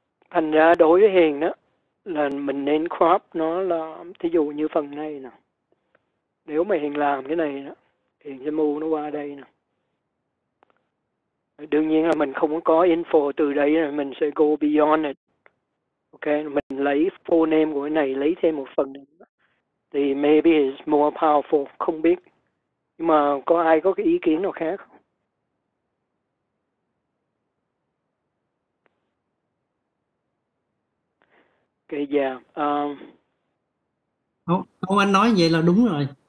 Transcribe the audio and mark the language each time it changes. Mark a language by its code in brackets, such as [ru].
[vi] Thành ra đối với Hiền đó là mình nên crop nó, là thí dụ như phần này nè. Nếu mà Hiền làm cái này đó, Hiền sẽ mua nó qua đây nè. Đương nhiên là mình không có info từ đây, là mình sẽ [en] go beyond it. [vi] Ok, mình lấy full name của cái này, lấy thêm một phần nữa. [en] Thì maybe it's more powerful, [vi] không biết. Nhưng mà có ai có cái ý kiến nào khác không? Ok, Ông anh nói vậy là đúng rồi.